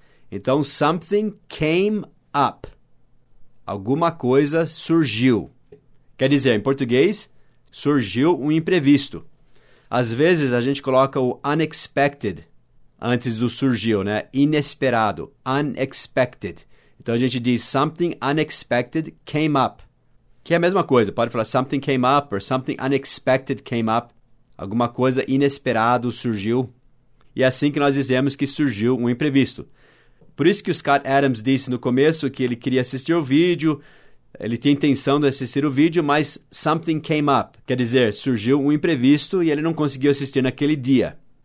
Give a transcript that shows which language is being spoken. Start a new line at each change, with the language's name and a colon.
English: Então, something came up.
Portuguese: Alguma coisa surgiu. Quer dizer, em português, surgiu um imprevisto. Às vezes, a gente coloca o unexpected antes do surgiu, né? Inesperado. Unexpected. Então, a gente diz
English: something unexpected came up.
Portuguese: Que é a mesma coisa. Pode falar
English: something came up or something unexpected came up.
Portuguese: Alguma coisa inesperado surgiu. E é assim que nós dizemos que surgiu um imprevisto. Por isso que o Scott Adams disse no começo que ele queria assistir o vídeo, ele tinha intenção de assistir o vídeo, mas
English: something came up,
Portuguese: quer dizer, surgiu um imprevisto e ele não conseguiu assistir naquele dia.